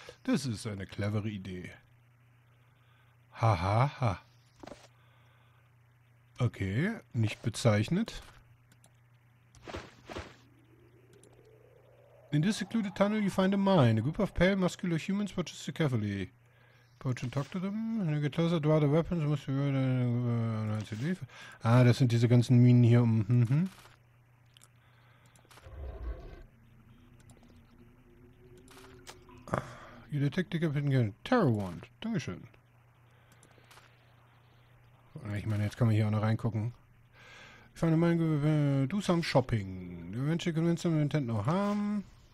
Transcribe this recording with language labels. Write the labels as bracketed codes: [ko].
[en] This is [de] eine clevere Idee. Hahaha. Okay, nicht bezeichnet. [en] In this secluded tunnel you find a mine. A group of pale, muscular humans watches you carefully. Approach and talk to them. When you get closer, draw the weapons. Must be ready. [de] Ah, das sind diese ganzen Minen hier um. [en] You detect a hidden terror wand. [de] Dankeschön. Ich meine, jetzt kann man hier auch noch reingucken. [en] You find a mine. Do some shopping. You eventually convince them to intend no harm.